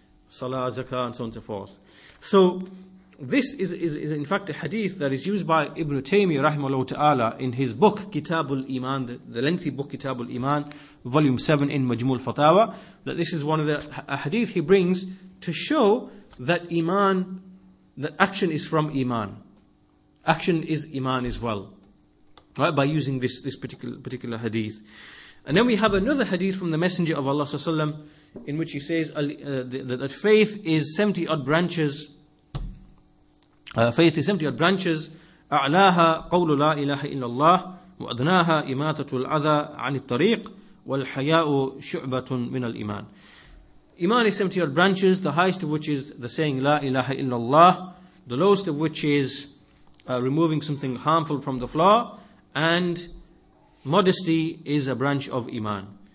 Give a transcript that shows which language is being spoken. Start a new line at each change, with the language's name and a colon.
English: Salah, Zakah, and so on and so forth. So, this is in fact a hadith that is used by Ibn Taymiyyah, rahimahullah ta'ala, in his book, Kitabul Iman, the lengthy book, Kitabul Iman, volume 7 in Majmul Fatawa, that this is one of the hadith he brings to show that Iman, that action is from Iman. Action is Iman as well. Right, by using this particular hadith. And then we have another hadith from the Messenger of Allah Sallallahu Alaihi Wasallam, in which he says that faith is 70 odd branches. Faith is 70 odd branches.
Arabic: أعلاها قول لا إله إلا الله وأدناها إماتة الأذى عن الطريق والحياء شعبة من الإيمان.
English: Iman is 70 odd branches, the highest of which is the saying
Arabic: لا إله إلا الله,
English: the lowest of which is removing something harmful from the floor. And modesty is a branch of Iman.